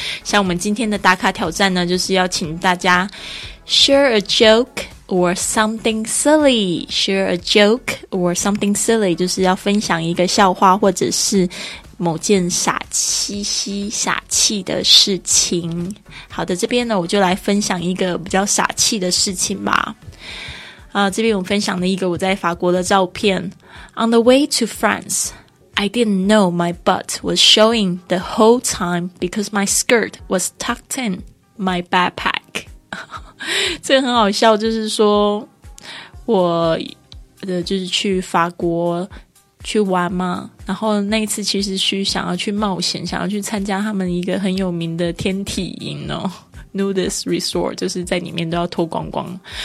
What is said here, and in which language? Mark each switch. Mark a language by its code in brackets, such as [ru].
[zh] 像我们今天的打卡挑战呢，就是要请大家 [en] share a joke or something silly, [zh] share a joke or something silly, 就是要分享一个笑话或者是某件傻兮兮傻气的事情。好的，这边呢我就来分享一个比较傻气的事情吧。这边我分享了一个我在法国的照片。 [en] On the way to France, I didn't know my butt was showing the whole time because my skirt was tucked in my backpack. [zh] 这个很好笑，就是说我的就是去法国去玩嘛，然后那一次其实是想要去冒险，想要去参加他们一个很有名的天体营哦 Nudist Resort, 就是在里面都要脱光光。